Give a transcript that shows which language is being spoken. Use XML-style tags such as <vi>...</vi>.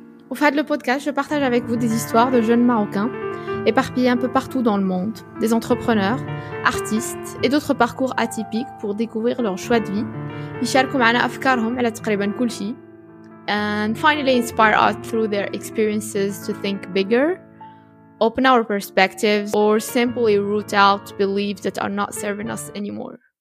<fr>Au fil du podcast, je partage avec vous des histoires de jeunes marocains éparpillés un peu partout dans le monde, des entrepreneurs, artistes et d'autres parcours atypiques pour découvrir leur choix de vie.</fr> <ar>يشاركوا معنا افكارهم على تقريبا كل شيء.</ar> <en>And finally inspire us through their experiences to think bigger. Open our perspectives or simply root out beliefs that are not serving us anymore.</en>